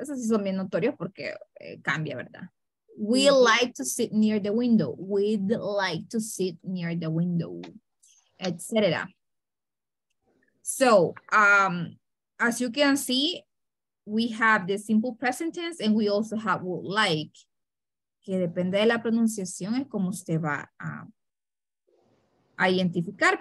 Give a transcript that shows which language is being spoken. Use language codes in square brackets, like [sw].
[es] Esos sí son bien notorios porque cambia, ¿verdad? [en] We like to sit near the window. We'd like to sit near the window, etc. So, as you can see, we have the simple present tense and we also have would like. [es] Que depende de la pronunciación es como usted va a identificar.